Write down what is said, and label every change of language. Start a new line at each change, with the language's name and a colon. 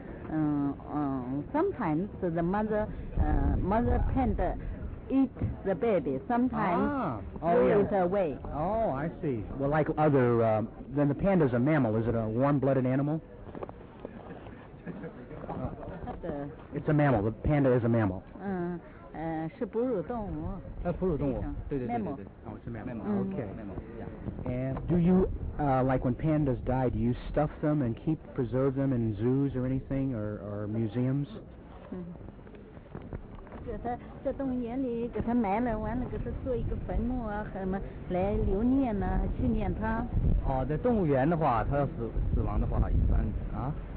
English: sometimes the mother, mother panda eat the baby, sometimes throw it away. Oh, I see. Well, like other, then the panda's a mammal, is it a warm-blooded animal? It's a mammal, the panda is a mammal.
Chinese: 是哺乳动物，对对对对对。
English: Oh, it's a mammal. Mammal. Okay. Mammal. Yeah. And do you, like when pandas die, do you stuff them and keep, preserve them in zoos or anything, or museums? Oh,
Chinese: 在动物园的话，它要死亡的话，一般啊？